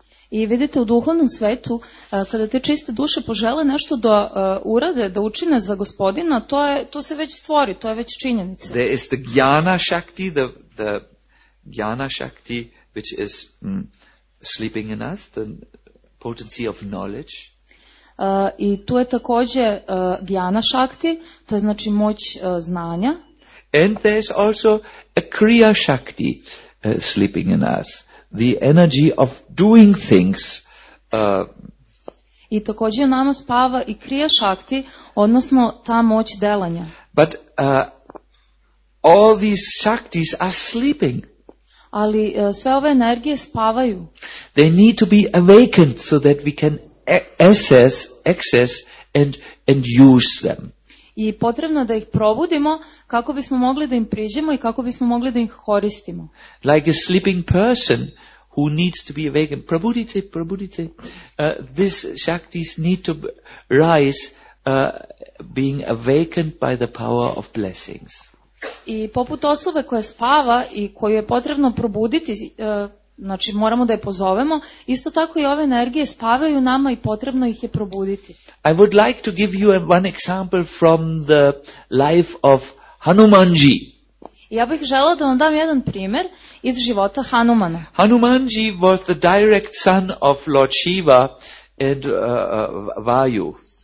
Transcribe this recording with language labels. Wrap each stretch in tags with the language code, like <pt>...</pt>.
<sr>I vidite u duhovnom svetu, kada te čiste duše požele nešto da urade, da učine za gospodina, to je, to se već stvori, to je već činjenica.</sr> <en>There is the jnana shakti, the jnana shakti which is sleeping in us, the potency of knowledge.</en> <sr>I tu je takođe gyana shakti, to je znači moć znanja.</sr> <en>And there's also a kriya shakti sleeping in us, the energy of doing things.</en> <sr>I takođe u nama spava i kriya shakti, odnosno ta moć delanja.</sr> <en>But all these shaktis are sleeping.</en> <sr>Ali sve ove energije spavaju.</sr> <en>They need to be awakened so that we can access and use them.</en> <sr>I potrebno da ih probudimo kako bismo mogli da im priđemo i kako bismo mogli da ih koristimo.</sr> <en>Like a sleeping person who needs to be awakened.</en> <sr>Probudite, probudite.</sr> <en>These shaktis need to rise being awakened by the power of blessings.</en> <sr>I poput osobe koja spava i koju je potrebno probuditi, znači moramo da je pozovemo, isto tako i ove energije spavaju nama i potrebno ih je probuditi.</sr> <en>I would like to give you one example from the life of Hanumanji.</en> <sr>Ja bih želela da vam dam jedan primer iz života Hanumana.</sr> <en>Hanumanji was the direct son of Lord Shiva and Vayu.</en>